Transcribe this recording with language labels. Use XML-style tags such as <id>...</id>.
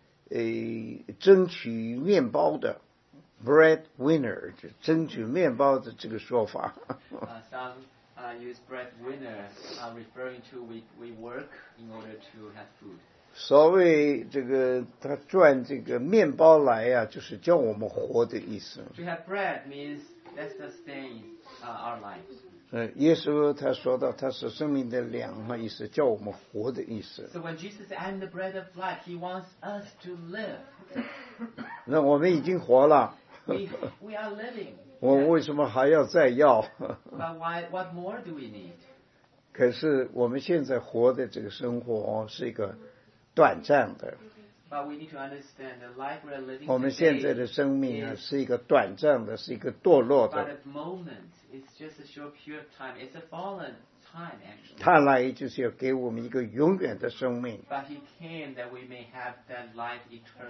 <zh>争取面包的 breadwinner 争取面包的这个说法。</zh> <en>Some use breadwinner referring to we work in order to have food.</en> <zh>所谓这个他赚这个面包来呀、啊，就是叫我们活的意思。</zh> <en>To have bread means that sustain our lives.</en> <zh>耶稣他说到他是生命的粮嘛，意思叫我们活的意思。</zh> <en>So when Jesus says I'm the bread of life, he wants us to live.</en> <zh>那我们已经活了。</zh> <en>We are living.</en> <zh>我为什么还要再要</zh> <en>？But why? What more do we need?</en> <zh>可是我们现在活的这个生活是一个短暂的。</zh> <en>But we need to understand the life we're living.</en> <zh>我们现在的生命啊，是一个短暂的，是一个堕落的。</zh> <en>But at moment. It's just a short period of time. It's a fallen time, actually.</en> <zh>他来就是要给我们一个永远的生命。</zh> <en>But he came that we may have that life eternal.</en>